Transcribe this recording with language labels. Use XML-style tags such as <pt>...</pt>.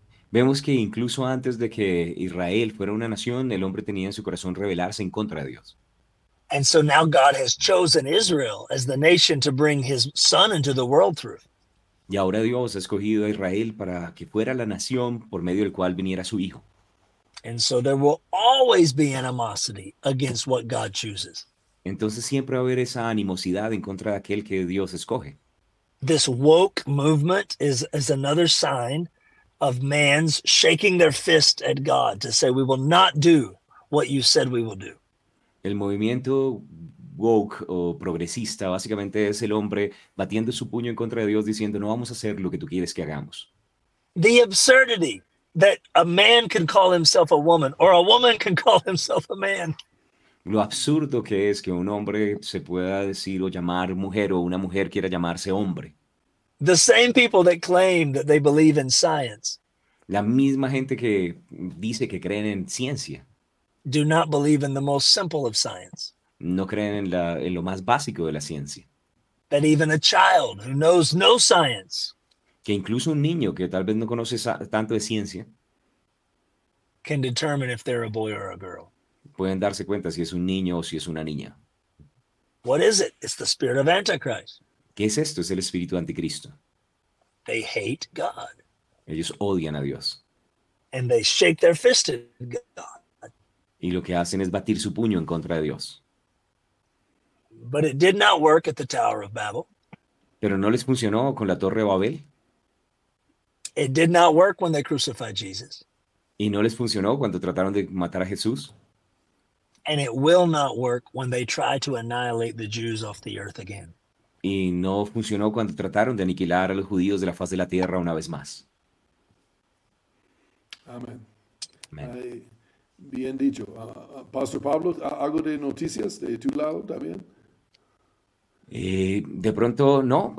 <es>Vemos que incluso antes de que Israel fuera una nación, el hombre tenía en su corazón rebelarse en contra de Dios.</es> <en>And so now God has chosen Israel as the nation to bring his son into the world through.</en> <es>Y ahora Dios ha escogido a Israel para que fuera la nación por medio del cual viniera su hijo.</es> <en>And so there will always be animosity against what God chooses.</en> <es>Entonces siempre va a haber esa animosidad en contra de aquel que Dios escoge.</es> <en>This woke movement is another sign of man's shaking their fist at God to say, we will not do what you said we will do.</en> <es>El movimiento woke o progresista básicamente es el hombre batiendo su puño en contra de Dios diciendo, no vamos a hacer lo que tú quieres que hagamos.</es> <en>The absurdity that a man can call himself a woman or a woman can call himself a man.</en> <es>Lo absurdo que es que un hombre se pueda decir o llamar mujer o una mujer quiera llamarse hombre.</es> <en>The same people that claim that they believe in science.</en> <es>La misma gente que dice que creen en ciencia.</es> <en>Do not believe in the most simple of science.</en> <es>No creen en la, en lo más básico de la ciencia.</es> <en>That even a child who knows no science.</en> <es>Que incluso un niño que tal vez no conoce tanto de ciencia.</es> <en>Can determine if they're a boy or a girl.</en> <es>Pueden darse cuenta si es un niño o si es una niña.</es> <en>What is it? It's the spirit of Antichrist.</en> <es>¿Qué es esto? Es el espíritu anticristo.</es> <en>They hate God.</en> <es>Ellos odian a Dios.</es> <en>And they shake their fist at God.</en> <es>Y lo que hacen es batir su puño en contra de Dios.</es> <en>But it did not work at the Tower of Babel.</en> <es>Pero no les funcionó con la Torre de Babel.</es> <en>It did not work when they crucified Jesus.</en> <es>Y no les funcionó cuando trataron de matar a Jesús.</es> <en>And it will not work when they try to annihilate the Jews off the earth again.</en> <es>Y no funcionó cuando trataron de aniquilar a los judíos de la faz de la tierra una vez más. Amén. Bien dicho. Pastor Pablo, ¿algo de noticias de tu lado también? De pronto, no.</es>